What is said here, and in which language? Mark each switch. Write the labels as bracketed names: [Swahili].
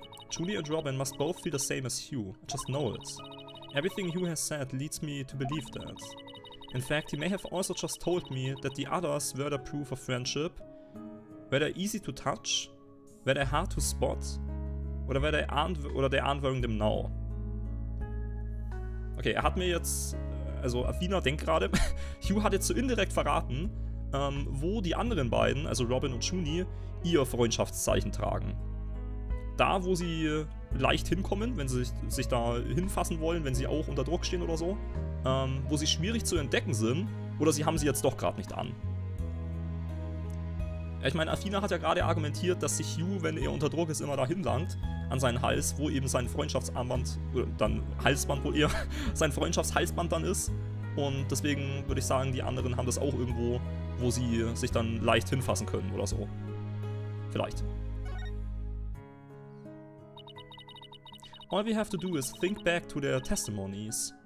[English] Julie and Robin must both feel the same as Hugh. I just know it. Everything Hugh has said leads me to believe that. In fact, he may have also just told me that the others were the proof of friendship. Were they easy to touch? Were they hard to spot? Oder were they aren't, oder they aren't wearing them now? [German] Okay, er hat mir jetzt, also Athena denkt gerade, Hugh hat jetzt so indirekt verraten, wo die anderen beiden, also Robin und Juni, ihr Freundschaftszeichen tragen. Da, wo sie leicht hinkommen, wenn sie sich da hinfassen wollen, wenn sie auch unter Druck stehen oder so, wo sie schwierig zu entdecken sind, oder sie haben sie jetzt doch gerade nicht an. Ich meine, Athena hat ja gerade argumentiert, dass sich Hugh, wenn er unter Druck ist, immer dahin langt, an seinen Hals, wo eben sein Freundschaftsarmband, oder dann Halsband wohl eher, sein Freundschaftshalsband dann ist. Und deswegen würde ich sagen, die anderen haben das auch irgendwo, wo sie sich dann leicht hinfassen können oder so. Vielleicht. [English] All we have to do is think back to their testimonies.